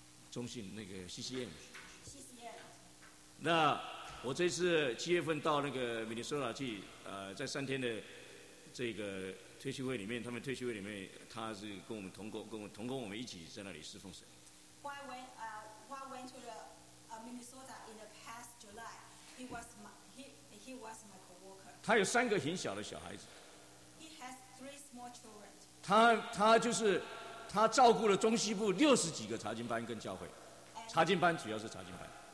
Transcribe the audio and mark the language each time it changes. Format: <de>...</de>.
<zh>中信那个 CCM。那我这次七月份到那个明尼苏达去，在三天的这个退休会里面，他们退休会里面，他是跟我们同工，跟我们同工，我们一起在那里侍奉神。</zh> <en>Why went to the Minnesota in the past July? He was my coworker.</en> <zh>他有三个很小的小孩子。</zh> <en>He has three small children.</en> <zh>他照顾了中西部六十几个查经班跟教会，查经班主要是查经班。</zh>